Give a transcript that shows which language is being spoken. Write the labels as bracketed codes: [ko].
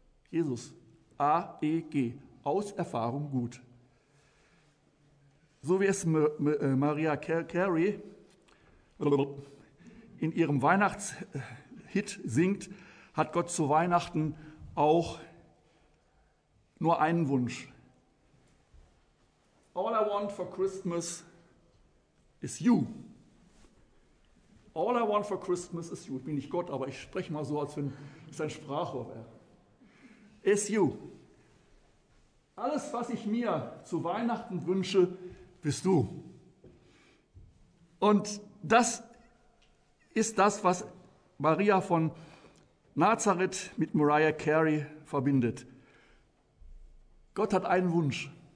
[de] Jesus, A-E-G, aus Erfahrung gut. So wie es Maria Carey in ihrem Weihnachtshit singt, hat Gott zu Weihnachten auch nur einen Wunsch. [en] All I want for Christmas is you. All I want for Christmas is you. [de] Ich bin nicht Gott, aber ich spreche mal so, als wenn es ein Sprachrohr wäre. [en] Is you. [de] Alles, was ich mir zu Weihnachten wünsche, bist du. Und das ist das, was Maria von Nazareth mit Mariah Carey verbindet. Gott hat einen Wunsch.